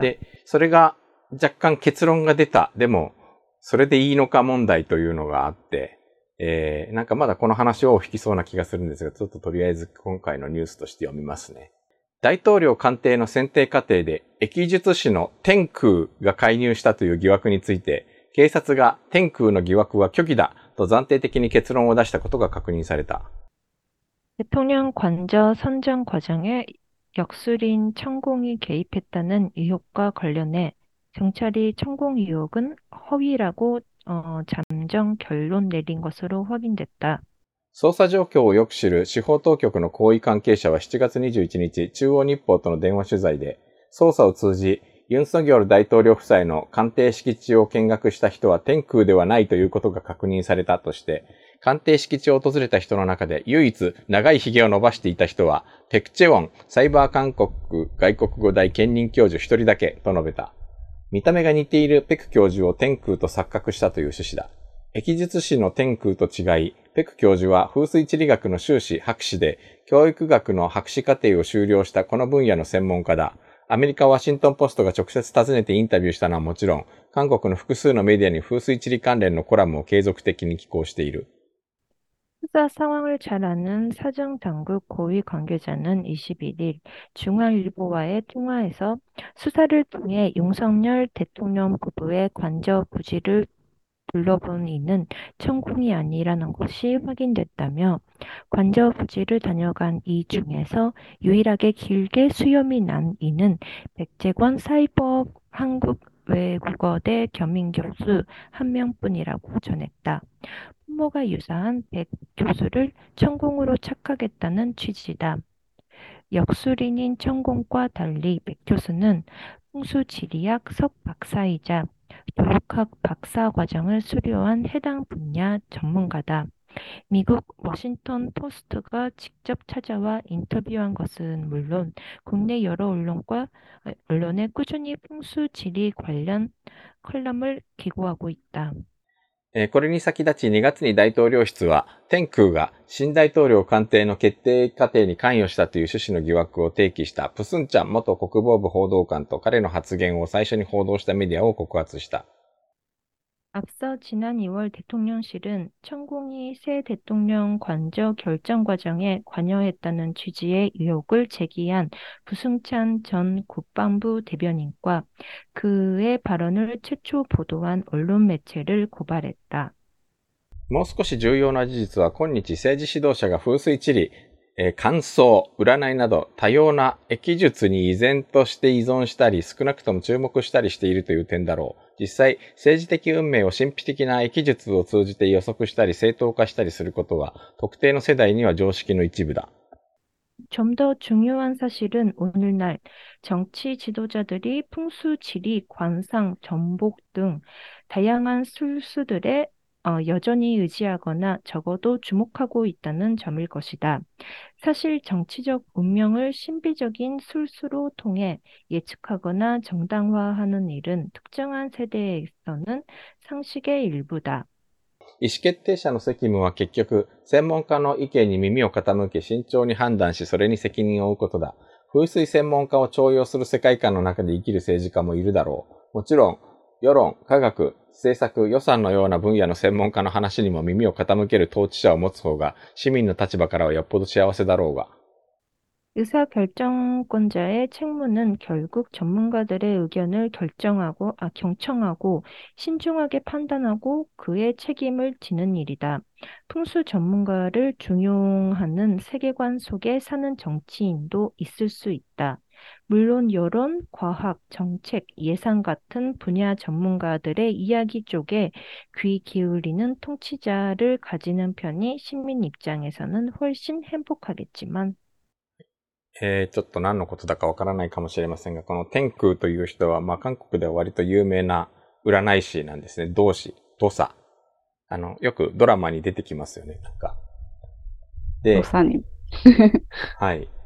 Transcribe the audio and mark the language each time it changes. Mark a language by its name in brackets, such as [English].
[Japanese] で、それが若干結論が出た。でも、それでいいのか問題というのがあって、なんかまだこの話を引きそうな気がするんですが、ちょっととりあえず今回のニュースとして読みますね。大統領官邸の選定過程で、易術師の天空が介入したという疑惑について、警察が天空の疑惑は虚偽だと暫定的に結論を出したことが確認された。 [Korean] 대통령 관저 선정 과정에 역술인 천공이 개입했다는 의혹과 관련해 경찰이 천공 의혹은 허위라고 잠정 결론 내린 것으로 확인됐다. [Japanese] 捜査状況をよく知る司法当局の高位関係者は7月21日、中央日報との電話取材で、捜査を通じ、ユン・ソギョル大統領夫妻の官邸敷地を見学した人は天空ではないということが確認されたとして、官邸敷地を訪れた人の中で唯一長い髭を伸ばしていた人は、ペクチェウォン、サイバー韓国外国語大兼任教授一人だけと述べた。見た目が似ているペク教授を天空と錯覚したという趣旨だ。易術師の天空と違い、ペク教授は風水地理学の修士、博士で、教育学の博士課程を修了したこの分野の専門家だ。アメリカ・ワシントンポストが直接訪ねてインタビューしたのはもちろん、韓国の複数のメディアに風水地理関連のコラムを継続的に寄稿している。 [Korean] 사 상황을 잘 아는 사정 당국 고위 관계자는 21일 중앙일보와의 통화에서 수사를 통해 윤석열 대통령 부부의 관저 부지를 둘러본 이는 천공이 아니라는 것이 확인됐다며 관저 부지를 다녀간 이 중에서 유일하게 길게 수염이 난 이는 백재관 사이버 한국외국어대 겸임교수 한 명뿐이라고 전했다. 부모가 유사한 백 교수를 천공으로 착각했다는 취지다. 역술인인 천공과 달리 백 교수는 풍수지리학 석 박사이자 교육학 박사 과정을 수료한 해당 분야 전문가다. 미국 워싱턴 포스트가 직접 찾아와 인터뷰한 것은 물론 국내 여러 언론에 꾸준히 풍수지리 관련 칼럼을 기고하고 있다. [Japanese] これに先立ち2月に大統領室は、天空が新大統領官邸の決定過程に関与したという趣旨の疑惑を提起したプスンチャン元国防部報道官と彼の発言を最初に報道したメディアを告発した。 [Korean] 앞서 지난 2월 대통령실은 천공이 새 대통령 관저 결정 과정에 관여했다는 취지의 의혹을 제기한 부승찬 전 국방부 대변인과 그의 발언을 최초 보도한 언론 매체를 고발했다. [Japanese] もう少し重要な事実は、今日政治指導者が風水地理、観想、占いなど多様な易術に依然として依存したり、少なくとも注目したりしているという点だろう。実際、政治的運命を神秘的な易術を通じて予測したり正当化したりすることは、特定の世代には常識の一部だ。 [Korean] 좀더 중요한 사실은 오늘날 정치 지도자들이 풍수, 지리, 관상, 전복 등 다양한 술수들에 여전히 의지하거나 적어도 주목하고 있다는 점일 것이다. 사실 정치적 운명을 신비적인 술수로 통해 예측하거나 정당화하는 일은 특정한 세대에서는 상식의 일부다. [Japanese] 意思決定者の責務は結局、専門家の意見に耳を傾け慎重に判断し、それに責任を負うことだ。風水専門家を重用する世界観の中で生きる政治家もいるだろう。もちろん、世論、科学、政策、予算のような分野の専門家の話にも耳を傾ける統治者を持つ方が、市民の立場からはよっぽど幸せだろうが。 [Korean] 의사 결정권자의 책무는 결국 전문가들의 의견을 결정하고, 경청하고, 신중하게 판단하고 그의 책임을 지는 일이다. 풍수 전문가를 중용하는 세계관 속에 사는 정치인도 있을 수 있다. 물론 여론, 과학, 정책, 예산 같은 분야 전문가들의 이야기 쪽에 귀 기울이는 통치자를 가지는 편이 시민 입장에서는 훨씬 행복하겠지만, [Japanese] ちょっと何のことだかわからないかもしれませんが、この天空という人は、まあ韓国では割と有名な占い師なんですね。道士、土佐。よくドラマに出てきますよね、なんか。おで、さに。はい。